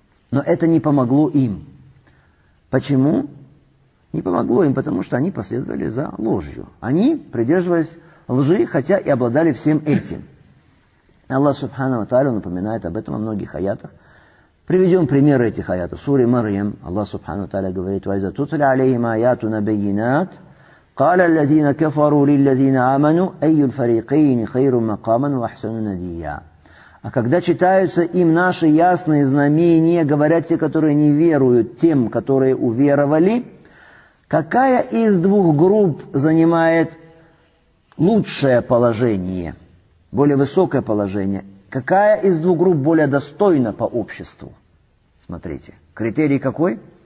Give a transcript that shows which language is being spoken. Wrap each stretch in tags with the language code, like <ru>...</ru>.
<ru>Но это не помогло им. Почему? Не помогло им, потому что они последовали за ложью. Они придерживались лжи, хотя и обладали всем этим. Аллах Субхану Тааля напоминает об этом во многих аятах. Приведем пример этих аятов. В суре Марьям Аллах Субхану Тааля говорит:</ru> <ar>وَإِذَا تُتْلَى عَلَيْهِمْ آيَاتُنَا بَيِّنَاتٍ قَالَ الَّذِينَ كَفَرُوا لِلَّذِينَ آمَنُوا أَيُّ الْفَرِيقَيْنِ خَيْرٌ مَقَامًا وَأَحْسَنُ نَدِيًّا.</ar> <ru>А когда читаются им наши ясные знамения, говорят те, которые не веруют, тем, которые уверовали, какая из двух групп занимает лучшее положение, более высокое положение? Какая из двух групп более достойна по обществу? Смотрите, критерий какой?</ru>